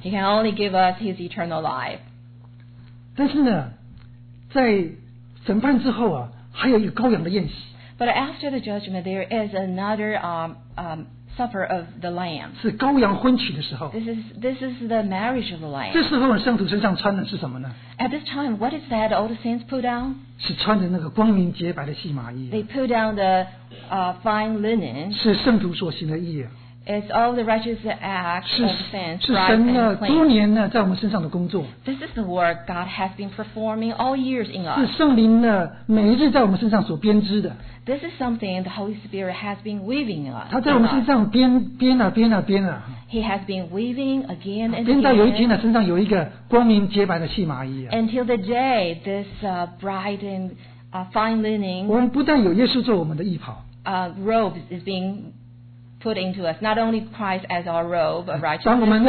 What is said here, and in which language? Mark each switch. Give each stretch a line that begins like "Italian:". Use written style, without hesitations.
English: he can only give us his eternal life.
Chinese: 但是呢, 在 审判之后啊, 还有一个羔羊的宴席,
English: but after the judgment, there is another supper of the Lamb.
Chinese: 是羔羊婚娶的时候,
English: this is the marriage of the Lamb.
Chinese: 这时候圣徒身上穿的是什么呢?
English: At this time, what is that all the saints put on?
Chinese: 是穿的那个光明洁白的细麻衣,
English: they put down the fine linen.
Chinese: 是圣徒所行的义,
English: it's all the righteous acts of the saints.
Chinese: 是神呢,多年呢,在我们身上的工作,
English: this is the work God has been performing all years in us.
Chinese: 是圣灵呢,每一日在我们身上所编织的,
English: this is something the Holy Spirit has been weaving in us.
Chinese: 他在我们身上编啊编啊编啊,
English: he has been weaving again and again,
Chinese: 编到有一天呢,身上有一个光明洁白的细麻衣,
English: until the day this bright and fine linen,
Chinese: 我们不但有耶稣做我们的义袍,
English: robe is being put into us, not only Christ as our robe of righteousness.